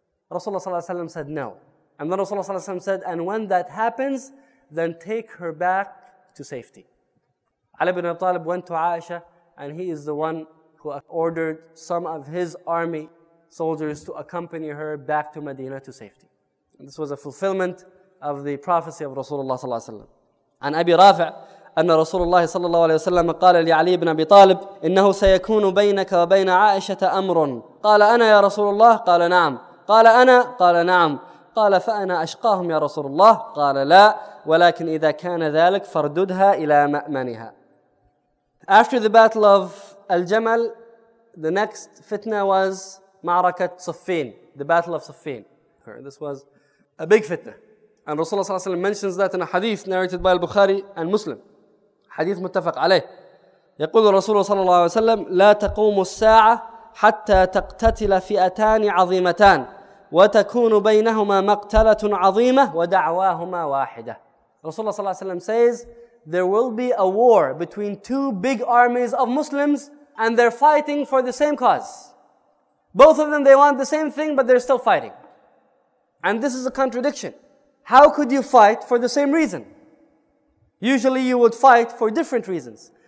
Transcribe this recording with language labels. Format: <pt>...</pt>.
<en>Rasulullah sallallahu alaihi wasallam said, no. And then Rasulullah sallallahu alaihi wasallam said, and when that happens, then take her back to safety. Ali ibn Abi Talib went to Aisha, and he is the one who ordered some of his army soldiers to accompany her back to Medina to safety. And this was a fulfillment of the prophecy of Rasulullah sallallahu alaihi wasallam.</en> <ar>عن أبي رافع أن رسول الله صلى الله عليه وسلم قال لعلي بن أبي طالب إنه سيكون بينك وبين عائشة أمر قال أنا يا رسول الله قال نعم قال أنا قال نعم قال فأنا أشقاهم يا رسول الله قال لا ولكن إذا كان ذلك فرددها إلى مأمنها.</ar> <en>After the battle of Al-Jamal, the next fitna was معركة صفين, the battle of صفين. This was a big fitna. And Rasulullah</en> <ar>صلى الله عليه وسلم</ar> <en>mentions that in a hadith narrated by Al-Bukhari and Muslim.</en> <ar>Hadith متفق عليه. يقول الرسول صلى الله عليه وسلم لا تقوم الساعة حتى تقتتل فئتان عظيمتان وتكون بينهما مقتلة عظيمة ودعواهما واحدة.</ar> <en>Rasulullah</en> <ar>صلى الله عليه وسلم</ar> <en>says there will be a war between two big armies of Muslims and they're fighting for the same cause. Both of them, they want the same thing, but they're still fighting. And this is a contradiction. How could you fight for the same reason? Usually you would fight for different reasons.</en>